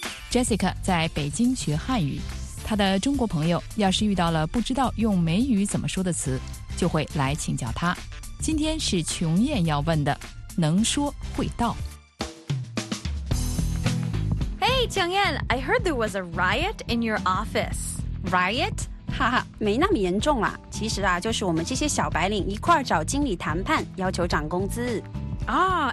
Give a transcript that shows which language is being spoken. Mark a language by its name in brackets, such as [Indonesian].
[Chinese] Jessica 在北京学汉语，她的中国朋友要是遇到了不知道用美语怎么说的词，就会来请教她。今天是琼艳要问的，能说会道。 [English] Hey, Chengyan, I heard there was a riot in your office. Riot? [Chinese] 哈哈，没那么严重啦。其实啊，就是我们这些小白领一块找经理谈判，要求涨工资。Ah,